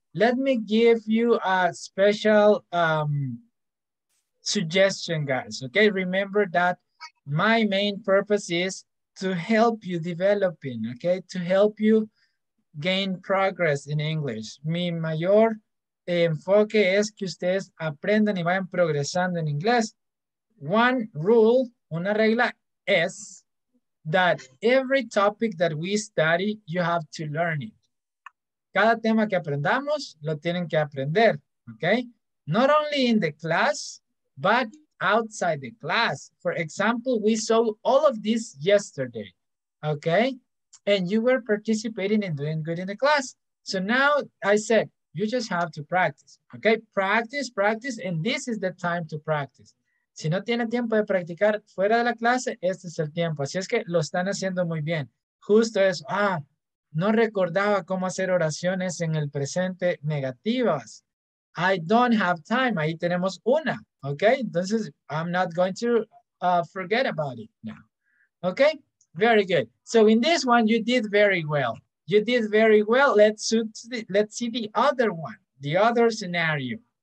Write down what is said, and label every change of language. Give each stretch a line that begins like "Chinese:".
English: Let me give you a special suggestion, guys. Okay? Remember that my main purpose is to help you developing, okay? To help you gain progress in English.
Spanish: Mi mayor enfoque es que ustedes aprendan y vayan progresando en inglés.
English: One rule,
Spanish: una regla es
English: that every topic that we study, you have to learn it.
Spanish: Cada tema que aprendamos, lo tienen que aprender, okay?
English: Not only in the class, but outside the class. For example, we saw all of this yesterday, okay? And you were participating and doing good in the class. So now I said, you just have to practice, okay? Practice, practice, and this is the time to practice.
Spanish: Si no tiene tiempo de practicar fuera de la clase, este es el tiempo. Así es que lo están haciendo muy bien. Justo eso. Ah, no recordaba cómo hacer oraciones en el presente negativas.
English: I don't have time.
Spanish: Ahí tenemos una.
English: ¿Ok? Entonces, I'm not going to forget about it now. ¿Ok? Very good. So, in this one, you did very well. You did very well. Let's see the other one. The other scenario.